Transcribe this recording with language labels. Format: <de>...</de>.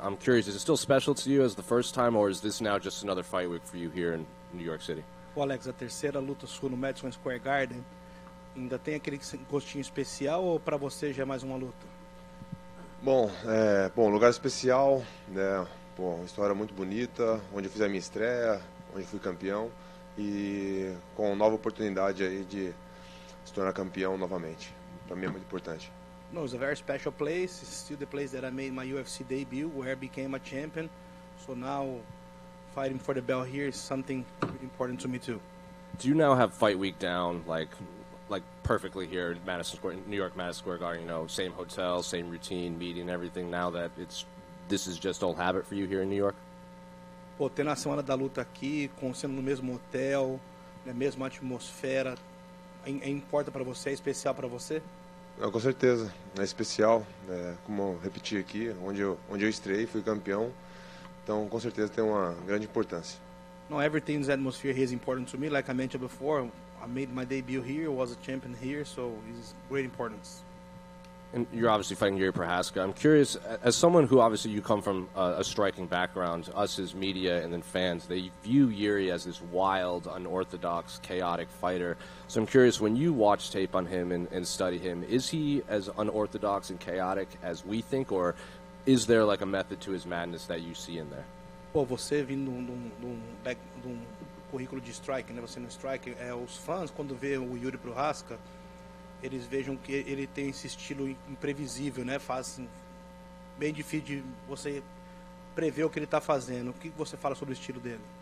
<en>I'm curious, is it still special to you as the first time, or is this now just another fight week for you here in New York City?</en> <pt>Well, Alex, a terceira luta sua no Madison Square Garden, ainda tem aquele gostinho especial, ou para você já é mais uma luta? Bom, lugar especial, né? Bom, história muito bonita, onde eu fiz a minha estreia, onde fui campeão, e com nova oportunidade aí de se tornar campeão novamente. Para mim é muito importante.</pt> <en>No, it's a very special place. It's still the place that I made my UFC debut, where I became a champion. So now, fighting for the belt here is something really important to me too. Do you now have fight week down, like perfectly here in Madison Square, New York Madison Square Garden? You know, same hotel, same routine, meeting, everything. Now that this is just old habit for you here in New York.</en> <pt>Pô, tendo a semana da luta aqui, sendo no mesmo hotel, na mesma atmosfera, é importante para você, é especial para você? Com certeza, é especial, como eu repeti aqui, onde eu estreiei, fui campeão, então com certeza tem uma grande importância.</pt> <en>Não, everything's atmosphere here is important to me, like I mentioned before, I made my debut here, was a champion here, so it's great importance. And you're obviously fighting Jiří Procházka. I'm curious, as someone who obviously you come from a striking background, us as media and then fans, they view Jiří as this wild, unorthodox, chaotic fighter. So I'm curious, when you watch tape on him and study him, is he as unorthodox and chaotic as we think, or is there like a method to his madness that you see in there?</en> <pt>Well, você vindo de um currículo de striking, né? Você no striking, os fãs quando vê o Jiří Procházka, eles vejam que ele tem esse estilo imprevisível, né? Faz bem difícil de você prever o que ele está fazendo. O que você fala sobre o estilo dele?</pt>